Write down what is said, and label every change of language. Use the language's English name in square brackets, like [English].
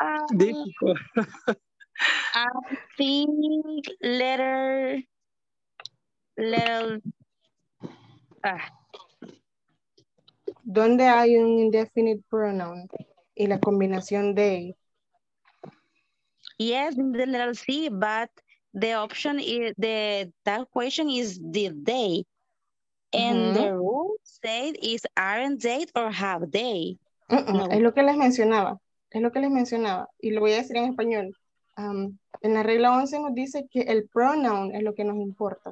[English] Difficult. I think letter. [Spanish] ¿Dónde hay un indefinite pronoun y la combinación de? [English] Yes, in the letter C, but the option is that question is did they? And mm-hmm. The rule said is aren't they or have they? No. [Spanish] Es lo que les mencionaba, y lo voy a decir en español. En la regla 11 nos dice que el pronoun es lo que nos importa.